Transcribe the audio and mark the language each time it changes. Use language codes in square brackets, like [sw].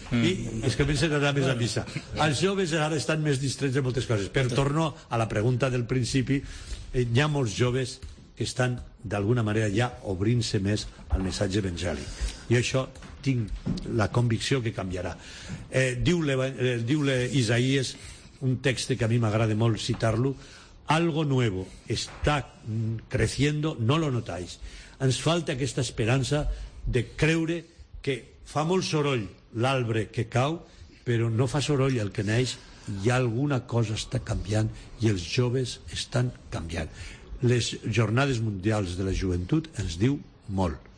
[ca] I és que comencen a anar més a missa. Els joves ara estan més distrets de moltes coses. Però torno a la pregunta del principi. Hi ha molts joves que estan, d'alguna manera, ja obrint-se més al missatge evangèlic. I això tinc la convicció que canviarà. Diu-le Isaías, un text que a mi m'agrada molt citar-lo, [es] algo nuevo está creciendo, no lo notáis. [ca] Ens falta aquesta esperança de creure que fa molt soroll l'arbre que cau, però no fa soroll el que neix, i alguna cosa està canviant i els joves estan canviant. Les Jornades Mundials de la Joventut ens diu molt.